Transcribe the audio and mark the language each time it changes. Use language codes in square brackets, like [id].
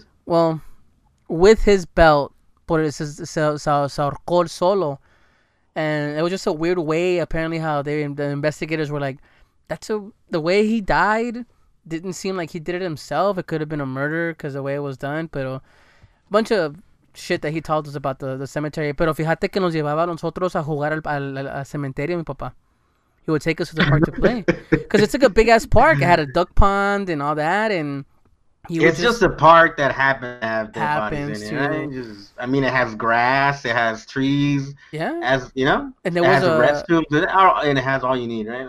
[en] Well, with his belt, but it says, [es] se ahorcó solo. [en] And it was just a weird way, apparently, how the investigators were like, that's the way he died. Didn't seem like he did it himself. It could have been a murder because the way it was done. But a bunch of shit that he told us about the cemetery. [es] Pero fíjate que nos llevaba a nosotros a jugar al cementerio, mi papá. [en] He would take us to the park to play. Because it's like a big-ass park. It had a duck pond and all that. And it's just a park that happened to have dead bodies in it. I mean, it has grass. It has trees. Yeah. As you know, and there it was restrooms. And it has all you need, right?